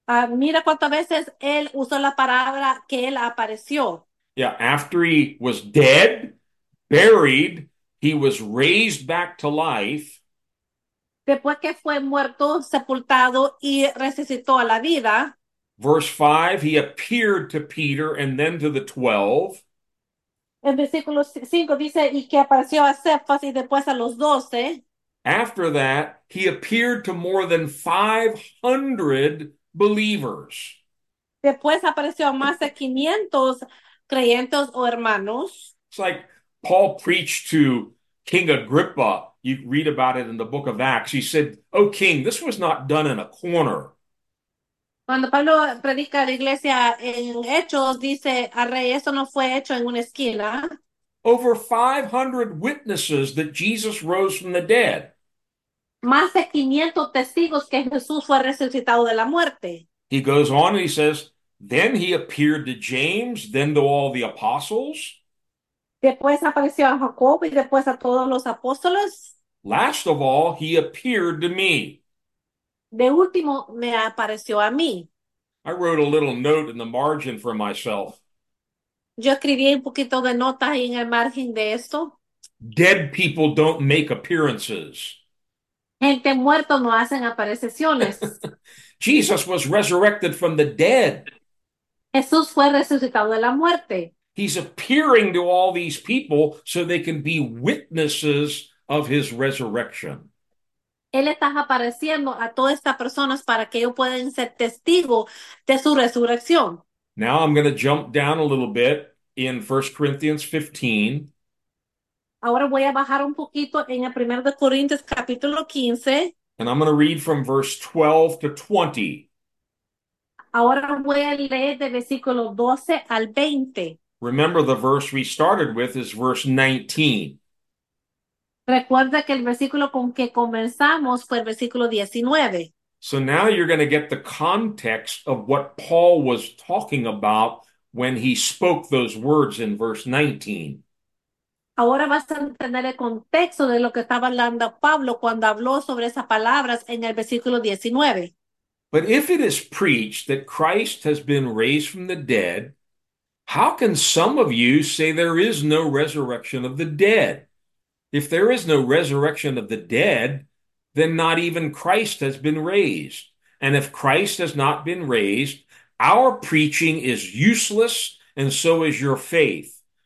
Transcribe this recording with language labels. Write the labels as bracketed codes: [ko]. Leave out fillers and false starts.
[es] Mira cuántas veces él usó la palabra que él apareció. [en] Yeah, after he was dead, buried, he was raised back to life. [es] Después que fue muerto, sepultado y resucitó a la vida, [en] Verse 5, he appeared to Peter and then to the 12. [es] en versículo 5 dice, y que apareció a Cefas y después a los doce. [en] After that, he appeared to more than 500 believers. [es] Después apareció a más de 500 creyentes o hermanos. [en] It's like Paul preached to King Agrippa. You read about it in the book of Acts. He said, "Oh, King, this was not done in a corner." [es] Cuando Pablo predica a la iglesia en Hechos, dice al rey, eso no fue hecho en una esquina. [en] Over 500 witnesses that Jesus rose from the dead. [es] Más de 500 testigos que Jesús fue resucitado de la muerte. [en] He goes on and he says, then he appeared to James, then to all the apostles. [es] Después apareció a Jacob y después a todos los apóstoles. [en] Last of all, he appeared to me. [es] De último me apareció a mí. [en] I wrote a little note in the margin for myself. [es] Yo escribí un poquito de notas en el margen de esto. [en] Dead people don't make appearances. [es] Gente muerta no hacen apariciones. [en] Jesus was resurrected from the dead. [es] Jesús fue resucitado de la muerte. [en] He's appearing to all these people so they can be witnesses of his resurrection. [es] Él está apareciendo a todas estas personas para que ellos puedan ser testigos de su resurrección. [en] Now I'm going to jump down a little bit in 1 Corinthians 15. [es] Ahora voy a bajar un poquito en el primero de Corintios capítulo 15. [en] And I'm going to read from verse 12 to 20. [es] Ahora voy a leer de versículo 12 al 20. [en] Remember, the verse we started with is verse 19. [es] Recuerda que el versículo con que comenzamos fue el versículo 19. [en] So now you're going to get the context of what Paul was talking about when he spoke those words in verse 19. [es] Ahora vas a entender el contexto de lo que estaba hablando Pablo cuando habló sobre esas palabras en el versículo 19. [en] But if it is preached that Christ has been raised from the dead, how can some of you say there is no resurrection of the dead? If there is no resurrection of the dead, then not even Christ has been raised. And if Christ has not been raised, our preaching is useless, and so is your faith.